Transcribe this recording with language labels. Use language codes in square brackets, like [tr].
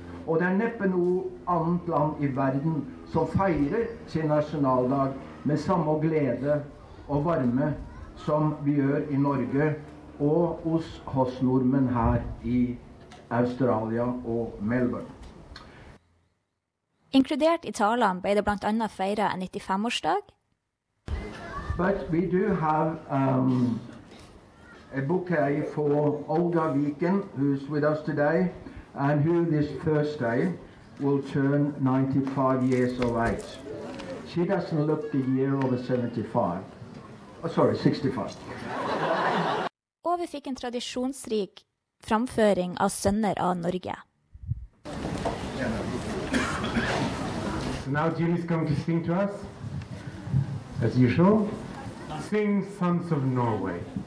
[no] Og det er neppe noe annet land i verden som feirer sin nasjonaldag med samme glede og varme som vi gjør i Norge og hos nordmenn her i Australia og Melbourne. Inkludert i talene ble det blant annet feiret en 95-årsdag. [en] But we do have a bouquet for Olga Wiken, who's with us today, and who this Thursday will turn 95 years of age. She doesn't look the year over 75. Oh, sorry, 65. [no] Og vi fikk en tradisjonsrik framføring av Sønner av Norge. [en] So now Jimmy's going to sing to us, as usual. Sing Sons of Norway.